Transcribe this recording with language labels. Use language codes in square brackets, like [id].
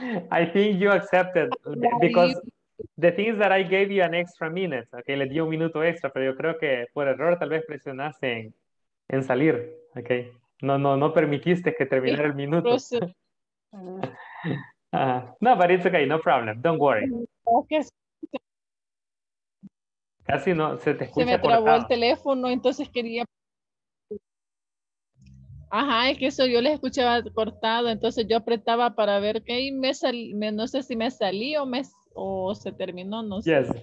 [en] I think you accepted because the thing is that I gave you an extra minute. [es] Okay, le di un minuto extra, pero yo creo que por error tal vez presionaste en salir. Okay, no permitiste que terminara el minuto. [en] No, but it's okay, no problem, don't worry. [es] Casi no se te escucha. Se me trabó cortado el teléfono, entonces quería. Ajá, es que eso yo les escuchaba cortado, entonces yo apretaba para ver qué y me salí, no sé si me salí o me o se terminó, no sé.